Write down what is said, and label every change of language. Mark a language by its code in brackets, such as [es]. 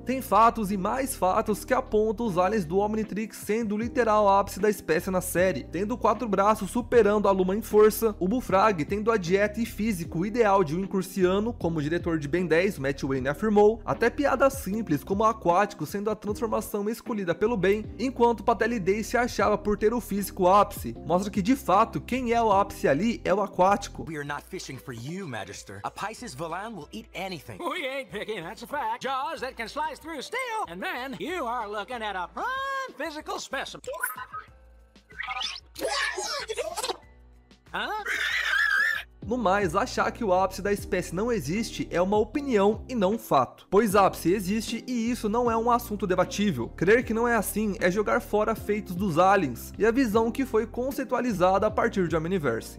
[pt] Tem fatos e mais fatos que apontam os aliens do Omnitrix sendo o literal ápice da espécie na série, tendo Quatro Braços superando a Luma em força, o Bullfrag tendo a dieta e físico ideal de um incursiano, como o diretor de Ben 10, Matt Wayne, afirmou, até piadas simples como o Aquático sendo a transformação escolhida pelo Ben, enquanto Patelli Day se achava por ter o físico ápice. Mostra que, de fato, quem é o ápice ali é o Aquático. [en] We are not fishing for you, Magister. A Pisces Volan will eat anything. We ain't picking, that's a fact. Jaws that can slice through steel. And then, you are looking at a prime physical specimen. Huh? [pt] No mais, achar que o ápice da espécie não existe é uma opinião e não um fato. Pois ápice existe e isso não é um assunto debatível. Crer que não é assim é jogar fora feitos dos aliens e a visão que foi conceitualizada a partir de Omniverse.